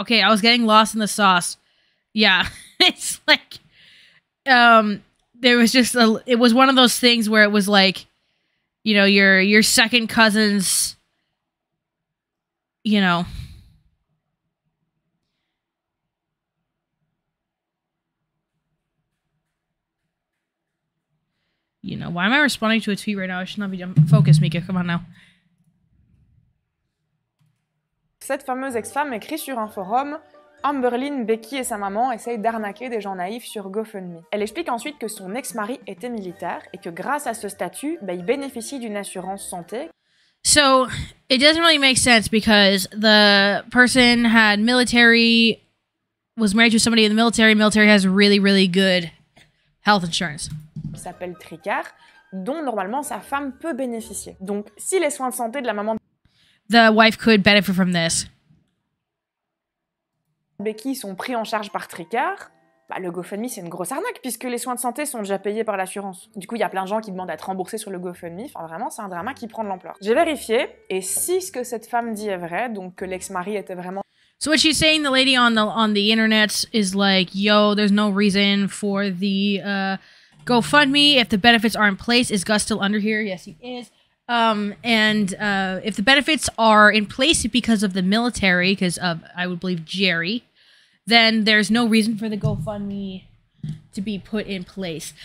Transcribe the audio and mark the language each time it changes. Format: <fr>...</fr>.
<en>Okay, I was getting lost in the sauce. Yeah, it's like, there was just a, it was one of those things where it was like, you know, your second cousin's, you know. You know, why am I responding to a tweet right now? I should not be, focus, Mika, come on now.</en> <fr>Cette fameuse ex-femme écrit sur un forum, Amberlynn, Becky et sa maman essayent d'arnaquer des gens naïfs sur GoFundMe. Elle explique ensuite que son ex-mari était militaire et que grâce à ce statut, bah, il bénéficie d'une assurance santé.</fr> <en>So, it doesn't really make sense because the person had military, was married to somebody in the military. Military has really, really good health insurance.</en> <fr>Il s'appelle Tricard, dont normalement sa femme peut bénéficier. Donc, si les soins de santé de la maman...</fr> <en>The wife could benefit from this.</en> <fr>Becky sont pris en charge par Tricard, bah, le GoFundMe c'est une grosse arnaque puisque les soins de santé sont déjà payés par l'assurance. Du coup, il y a plein de gens qui demandent à être remboursés sur le GoFundMe, enfin vraiment, c'est un drama qui prend de l'ampleur. J'ai vérifié, et si ce que cette femme dit est vrai, donc que l'ex-mari était vraiment...</fr> <en>So what she's saying, the lady on the internet is like, yo, there's no reason for the GoFundMe, if the benefits are in place, is Gus still under here? Yes, he is. If the benefits are in place because of the military, because of, I would believe, Jerry, then there's no reason for the GoFundMe to be put in place.</en>